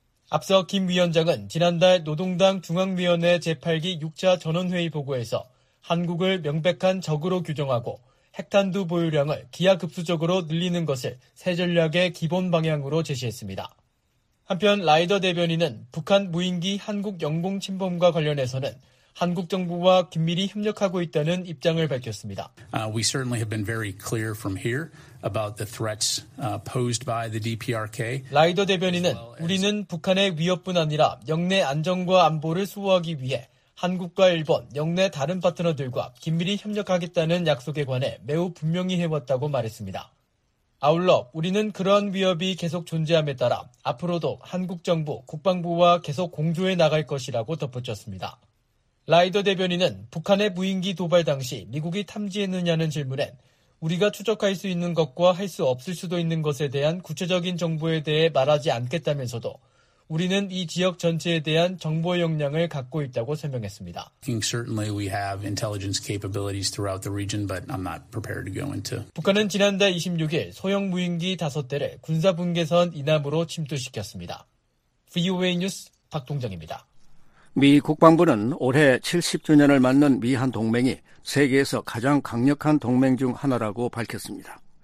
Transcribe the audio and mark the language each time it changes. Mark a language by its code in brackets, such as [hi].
[ko] 앞서 김 위원장은 지난달 노동당 중앙위원회 제8기 6차 전원회의 보고에서 한국을 명백한 적으로 규정하고 핵탄두 보유량을 기하급수적으로 늘리는 것을 새 전략의 기본 방향으로 제시했습니다. 한편 라이더 대변인은 북한 무인기 한국 영공 침범과 관련해서는 한국 정부와 긴밀히 협력하고 있다는 입장을 밝혔습니다. [en] We certainly have been very clear from here about the threats posed by the DPRK. [ko] 라이더 대변인은 우리는 북한의 위협뿐 아니라 영내 안전과 안보를 수호하기 위해 한국과 일본, 영내 다른 파트너들과 긴밀히 협력하겠다는 약속에 관해 매우 분명히 해왔다고 말했습니다. 아울러 우리는 그러한 위협이 계속 존재함에 따라 앞으로도 한국 정부, 국방부와 계속 공조해 나갈 것이라고 덧붙였습니다. 라이더 대변인은 북한의 무인기 도발 당시 미국이 탐지했느냐는 질문엔 우리가 추적할 수 있는 것과 할 수 없을 수도 있는 것에 대한 구체적인 정보에 대해 말하지 않겠다면서도 우리는 이 지역 전체에 대한 정보 역량을 갖고 있다고 설명했습니다. [en] Certainly we have intelligence capabilities throughout the region, but I'm not prepared to go into. [ko] 북한은 지난달 26일 소형 무인기 5대를 군사 분계선 이남으로 침투시켰습니다. VOA 뉴스 박동정입니다. 미 국방부는 올해 70주년을 맞는 미한 동맹이 세계에서 가장 강력한 동맹 중 하나라고 밝혔습니다.